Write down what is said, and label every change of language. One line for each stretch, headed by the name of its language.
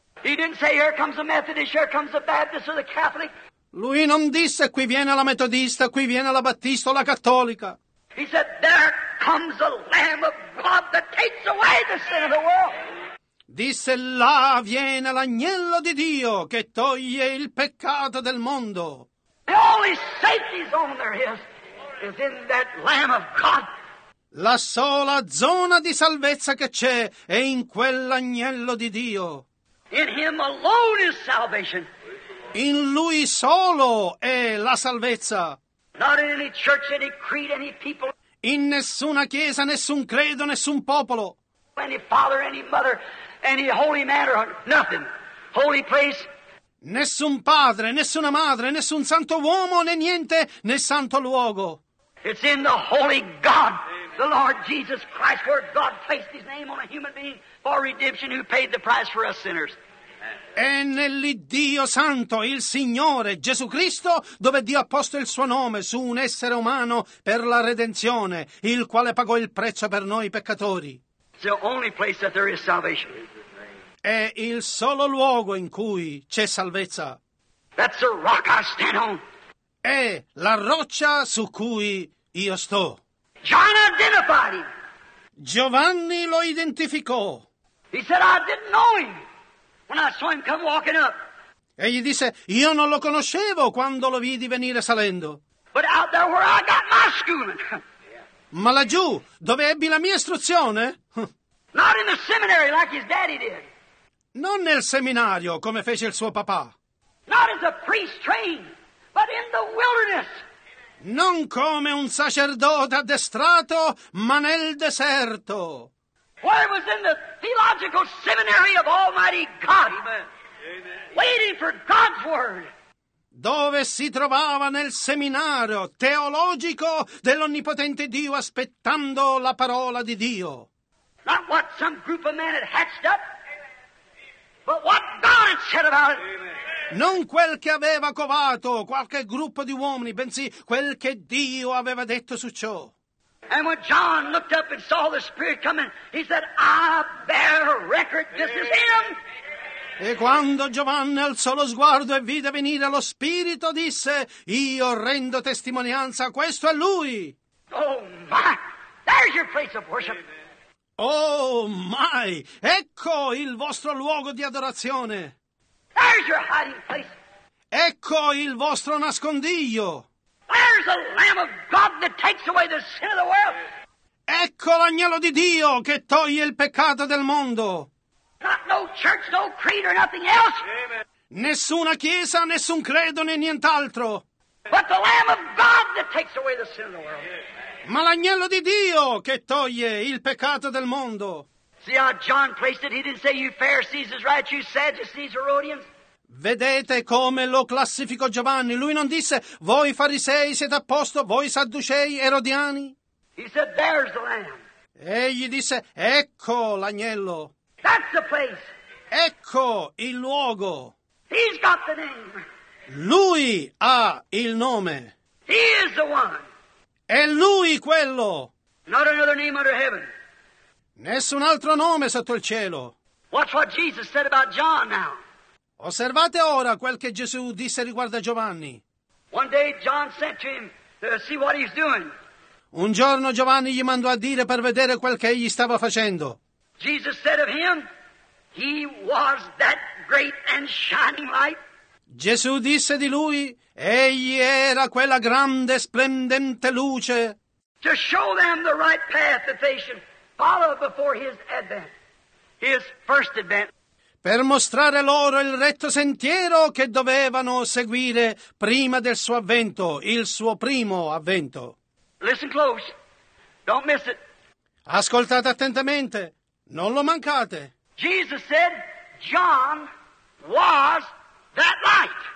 English: He didn't say, here comes the Methodist, here comes the Baptist or the Catholic.
Italian: Lui non disse, qui viene la metodista, qui viene la battista o la cattolica.
English: He said, there comes the Lamb of God that takes away the sin of the world.
Italian: Disse, là viene l'agnello di Dio che toglie il peccato del mondo.
English: The only safety zone there is in that Lamb of God.
Italian: La sola zona di salvezza che c'è è in quell'agnello di Dio.
English: In him alone is salvation.
Italian: In lui solo è la salvezza.
English: Not in any church, any creed, any people.
Italian: In nessuna chiesa, nessun credo, nessun popolo.
English: Any father, any mother, any holy man or nothing. Holy place.
Italian: Nessun padre, nessuna madre, nessun santo uomo, né niente, né santo luogo.
English: It's in the holy God, the Lord Jesus Christ, where God placed his name on a human being for redemption, who paid the price for us sinners.
Italian: È nell'Iddio Santo, il Signore, Gesù Cristo, dove Dio ha posto il suo nome su un essere umano per la redenzione, il quale pagò il prezzo per noi peccatori.
English: It's the only place that there is salvation.
Italian: È il solo luogo in cui c'è salvezza.
English: That's the rock I stand on.
Italian: È la roccia su cui io sto.
English: John identified him.
Italian: Giovanni lo identificò.
English: He said, I didn't know him when I saw him come walking up.
Italian: E gli disse, io non lo conoscevo quando lo vidi venire salendo.
English: But out there where I got my schooling.
Italian: Ma laggiù, dove ebbi la mia istruzione?
English: Not in the seminary like his daddy did.
Italian: Non nel seminario, come fece il suo papà.
English: Not as a priest trained, but in the wilderness.
Italian: Non come un sacerdote addestrato, ma nel deserto.
English: Where was in the theological seminary of Almighty God. Amen. Waiting for God's word.
Italian: Dove si trovava nel seminario teologico dell'Onnipotente Dio, aspettando la parola di Dio.
English: Not what some group of men had hatched up. But what God had said about it.
Italian: Non quel che aveva covato qualche gruppo di uomini, bensì quel che Dio aveva detto su ciò.
English: And when John looked up and saw the Spirit coming, he said, I bear record, this is him.
Italian: E quando Giovanni alzò lo sguardo e vide venire lo Spirito, disse, io rendo testimonianza, questo è lui.
English: Oh my, there's your place of worship. Amen. Oh my!
Italian: Ecco il vostro luogo di adorazione.
English: There's your hiding place.
Italian: Ecco il vostro nascondiglio.
English: There's the Lamb of God that takes away the sin of the world.
Italian: Ecco l'agnello di Dio che toglie il peccato del mondo.
English: Not no church, no creed or nothing else. Amen.
Italian: Nessuna chiesa, nessun credo, né nient'altro.
English: But the Lamb of God that takes away the sin of the world. Amen.
Italian: Ma l'agnello di Dio che toglie il peccato del mondo.
English: See how John placed it. He didn't say you Pharisees is right, you Sadducees, Herodians.
Italian: Vedete come lo classificò Giovanni. Lui non disse voi farisei siete a posto, voi sadducei, erodiani.
English: He said there's the Lamb.
Italian: Egli disse ecco l'agnello.
English: That's the place.
Italian: Ecco il luogo.
English: He's got the name.
Italian: Lui ha il nome.
English: He is the one.
Italian: È lui quello.
English: Not another name under heaven.
Italian: Nessun altro nome sotto il cielo.
English: Watch what Jesus said about John now.
Italian: Osservate ora quel che Gesù disse riguardo a Giovanni.
English: One day John sent to him to see what he's doing.
Italian: Un giorno Giovanni gli mandò a dire per vedere quel che egli stava facendo.
English: Jesus said of him, he was that great and shining light.
Italian: Gesù disse di lui, egli era quella grande splendente luce.
English: To show them the right path that they should follow before his advent, his first advent.
Italian: per mostrare loro il retto sentiero che dovevano seguire prima del suo avvento, il suo primo avvento.
English: Listen close. Don't miss it.
Italian: Ascoltate attentamente, non lo mancate.
English: Jesus said John was that light.